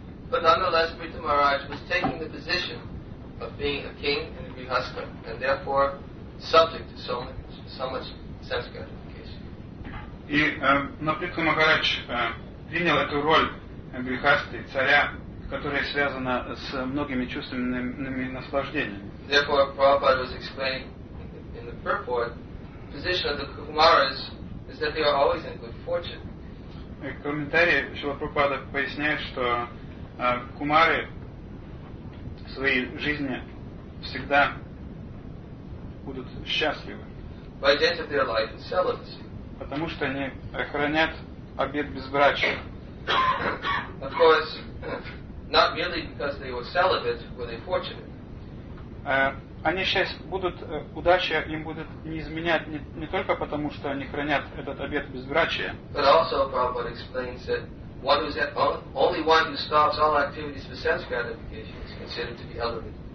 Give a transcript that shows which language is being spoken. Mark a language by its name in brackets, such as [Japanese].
[English] But nonetheless, Prithi Maharaj was taking the position of being a king and a grihastha, and therefore subject to so much sense gratification. [Russian] И Прита Махарадж принял эту роль грихасты, царя, которая связана с многими чувственными наслаждениями. [English] Therefore, Prabhupada was explaining in the purport, the position of the Kumaras is that they are always in good fortune. [Russian] В комментарии Шрила Прабхупада поясняет, что кумары в своей жизни всегда будут счастливы. [English] By dint of their life and celibacy. [Russian] Потому что они хранят обет безбрачия. [English] Of course, not merely because they were celibate were they fortunate. [Russian] Они сейчас будут удача им будет не изменять не только потому что они хранят этот обет безбрачия. [English] But also Prabhupada explains that one who's only one who stops all activities for sense gratification is considered to be elevated.